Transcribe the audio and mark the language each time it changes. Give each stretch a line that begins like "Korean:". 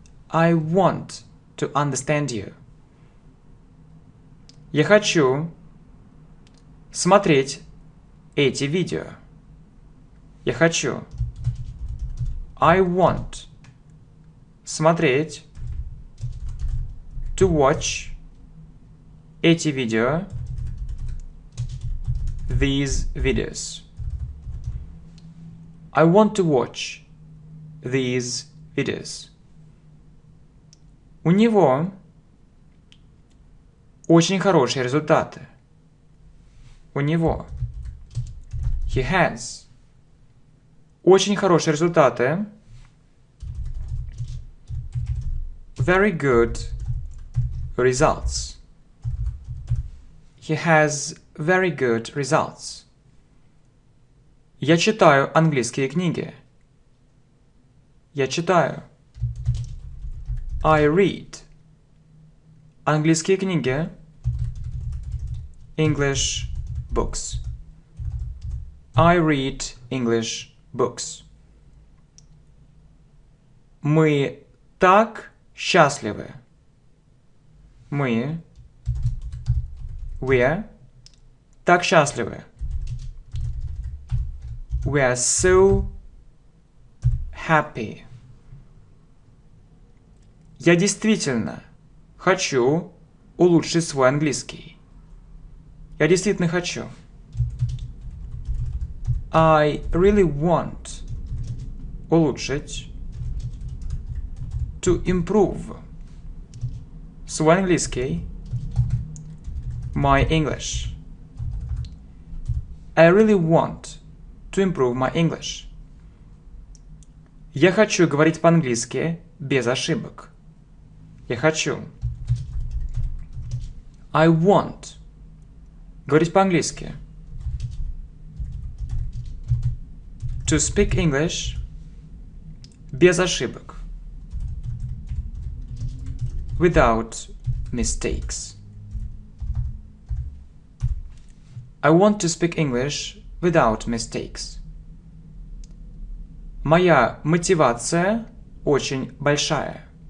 English: I want to understand you.
Russian: Я хочу смотреть эти видео. Я хочу.
English: I want
Russian: смотреть
English: to watch
Russian: эти видео.
English: These videos. I want to watch these videos.
Russian: У него очень хорошие результаты. У него.
English: He has.
Russian: Очень хорошие результаты.
English: Very good results. He has very good results.
Russian: Я читаю английские книги. Я читаю.
English: I read.
Russian: Английские книги.
English: English books. I read English books.
Russian: Мы так счастливы. Мы.
English: We are
Russian: так счастливы.
English: We are so happy.
Russian: Я действительно хочу улучшить свой английский. Я действительно хочу.
English: I really want
Russian: улучшить,
English: to improve
Russian: свой английский,
English: my English. I really want to improve my English.
Russian: Я хочу говорить по-английски без ошибок. Я хочу.
English: I want
Russian: говорить по-английски.
English: To speak English
Russian: без ошибок.
English: Without mistakes. I want to speak English without mistakes.
Russian: Моя мотивация очень большая.